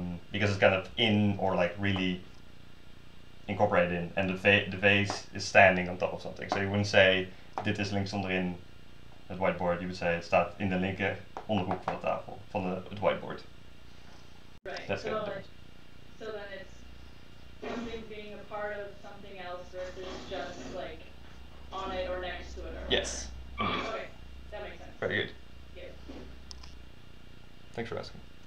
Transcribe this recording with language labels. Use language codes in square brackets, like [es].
[en] Because it's kind of in or like really incorporated in. And the vase is standing on top of something. So you wouldn't say [nl] dit is links onderin het whiteboard. [en] You would say it [nl] staat in de linker onderhoek van de tafel, van het whiteboard. [en] Right. That's so, so then it's something being a part of something else versus just like on it or next to it. Or yes. Okay, that makes sense. Very good. Yeah. Thanks for asking.